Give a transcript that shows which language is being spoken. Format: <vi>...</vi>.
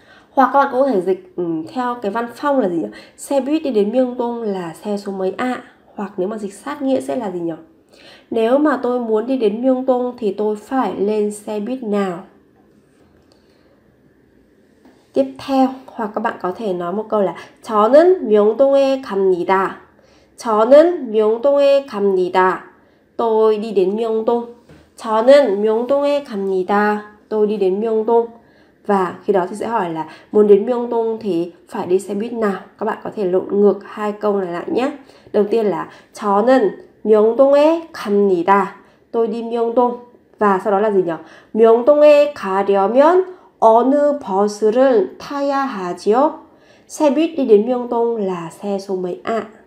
<vi>Hoặc các bạn cũng có thể dịch theo cái văn phong là gì nhỉ? Xe buýt đi đến Myeongdong là xe số mấy ạ? Hoặc nếu mà dịch sát nghĩa sẽ là gì nhỉ? Nếu mà tôi muốn đi đến Myeongdong thì tôi phải lên xe buýt nào? Tiếp theo, hoặc các bạn có thể nói một câu là</vi> <ko>저는 Myeongdong에 갑니다. 저는 Myeongdong에 갑니다.</ko> <vi>Tôi đi đến Myeongdong.</vi> <ko>저는 Myeongdong에 갑니다.</ko> <vi>Tôi đi đến Myeongdong. Và khi đó thì sẽ hỏi là muốn đến Myeongdong thì phải đi xe buýt nào? Các bạn có thể lộn ngược hai câu này lại nhé. Đầu tiên là</vi> <ko>저는 Myeongdong에 갑니다.</ko> <vi>Tôi đi Myeongdong. Và sau đó là gì nhỉ?</vi> <ko>Myeongdong에 가려면 어느 버스를 타야 하지요?</ko> <vi>Xe buýt đi đến Myeongdong là xe số mấy ạ?</vi>